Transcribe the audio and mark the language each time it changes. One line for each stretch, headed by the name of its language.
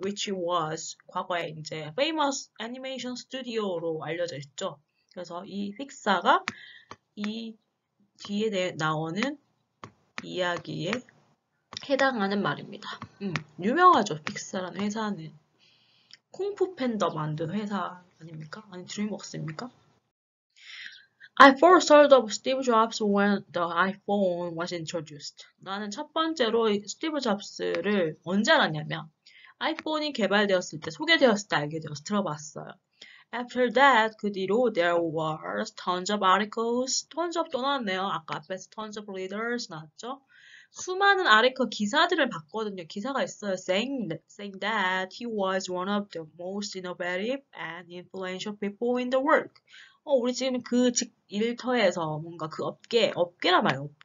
English: Which was
Korean: 과거에 이제
English: famous animation studio로
Korean: 알려져 있죠. 그래서 이 픽사가 이 뒤에 나오는 이야기에 해당하는 말입니다. 유명하죠. 픽사라는 회사는. 쿵푸팬더 만든 회사 아닙니까? 아니 드림웍스입니까?
English: I first heard of Steve Jobs when the iPhone was introduced.
Korean: 나는 첫 번째로 스티브 잡스를 언제 알았냐면 아이폰이 개발되었을 때 소개되었을 때 알게 되어서 들어봤어요.
English: After that,
Korean: 그 뒤로
English: there were tons of articles, tons of
Korean: 또 나왔네요. 아까 앞에서
English: tons of readers
Korean: 나왔죠? 수많은 아래커 기사들을 봤거든요. 기사가 있어요.
English: saying that he was one of the most innovative and influential people in the world.
Korean: 우리 지금 그 일터에서 뭔가 그 업계라 말해요.